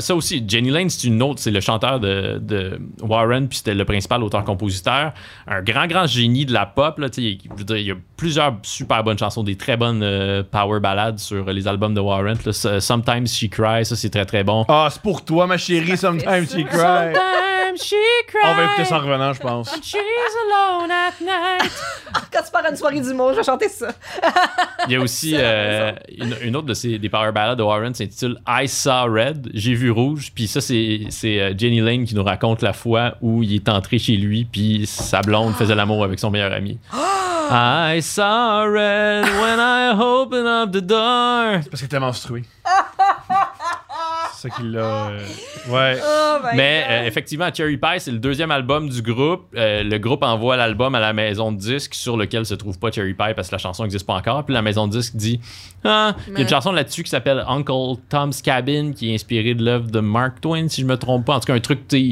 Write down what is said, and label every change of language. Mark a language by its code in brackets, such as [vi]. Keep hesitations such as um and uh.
[fr] ça, aussi, Jenny Lane, c'est une autre, c'est le chanteur de, de Warren, puis c'était le principal auteur-compositeur. Un grand, grand génie de la pop. il, y a plusieurs super bonnes chansons, des très bonnes euh, power ballades sur les albums de Warren. Ça, Sometimes She Cries, ça c'est très, très bon. Ah, oh, c'est pour toi, ma chérie, Sometimes sur... [en] She Cries. she cried. [fr] On va écouter ça en revenant, je pense. [en] she's alone at night. [fr] Quand tu pars à une soirée d'humour, je vais chanter ça. il y a aussi euh, une, une, autre de ces, des power ballads de Warren, s'intitule I Saw Red, J'ai vu rouge. Puis ça, c'est, c'est Jenny Lane qui nous raconte la fois où il est entré chez lui, puis sa blonde faisait l'amour avec son meilleur ami. [en] I saw red when I opened up the door. [fr] C'est parce qu'elle était menstruée. Ça qu'il a... Ouais. Oh mais euh, effectivement, Cherry Pie, c'est le deuxième album du groupe. Euh, le groupe envoie l'album à la maison de disque sur lequel se trouve pas Cherry Pie parce que la chanson n'existe pas encore. Puis la maison de disque dit ah. mais... il y a une chanson là-dessus qui s'appelle Uncle Tom's Cabin qui est inspirée de l'œuvre de Mark Twain, si je me trompe pas. En tout cas, un truc, t'y...